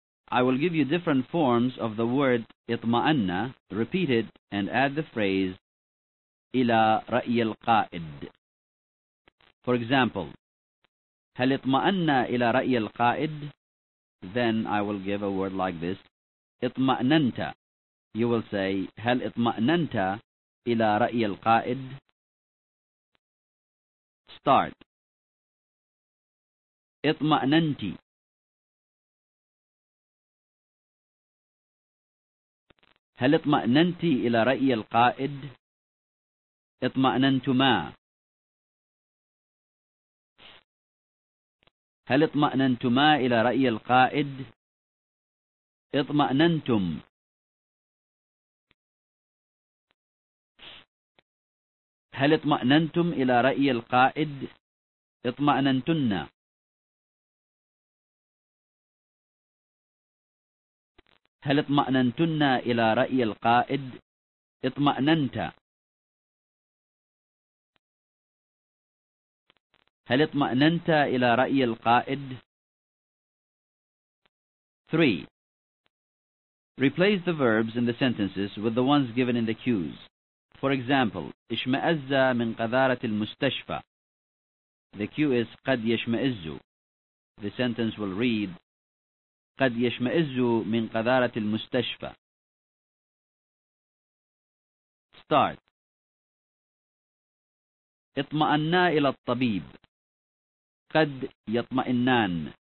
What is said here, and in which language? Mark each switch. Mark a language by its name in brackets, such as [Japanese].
[English] I will give you different forms of the word اطمأنا. Repeat it and add the phrase [Arabic] إلى رأي القائد. [English] For example, [Arabic] هل اطمأنا إلى رأي القائد؟ [English] Then I will give a word like this. [Arabic] اطمأننت. [English] You will say, [Arabic] هل اطمأننت إلى رأي القائد؟ [English] Start. [Arabic] اطمأننت. هل اطمأننت إلى رأي القائد؟ اطمأننتما. هل اطمأننتما إلى رأي القائد؟ اطمأننتم. هل اطمأننتم إلى رأي القائد؟ اطمأننتن. هل اطمأننتن إلى رأي القائد؟ اطمأننت. هل اطمأننت إلى رأي القائد؟ 3. [English] Replace the verbs in the sentences with the ones given in the cues. For example, [Arabic] اشمئز من قذارة المستشفى. [English] The cue is [Arabic] قد يشمئز. [English] The sentence will read [Arabic] قد يشمئز من قذارة المستشفى. [English] Start. [Arabic] اطمأنا إلى الطبيب. قد يطمئنان.